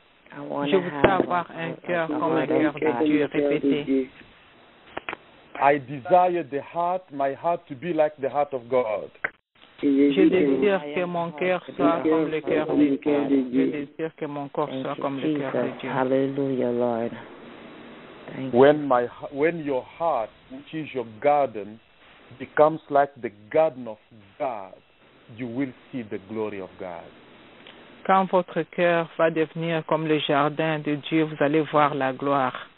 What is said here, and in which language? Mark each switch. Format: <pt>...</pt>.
<fr>Je voudrais avoir un cœur comme un cœur de Dieu. Répétez.</fr> <en>I desire the heart, my heart to be like the heart of God.</en> <fr>Je désire que mon cœur soit comme le cœur de Dieu. Je désire que mon corps soit comme le cœur de Dieu.</fr> <en>Hallelujah, Lord. When your heart, which is your garden, becomes like the garden of God, you will see the glory of God.</en> <fr>Quand votre cœur va devenir comme le jardin de Dieu, vous allez voir la gloire.</fr>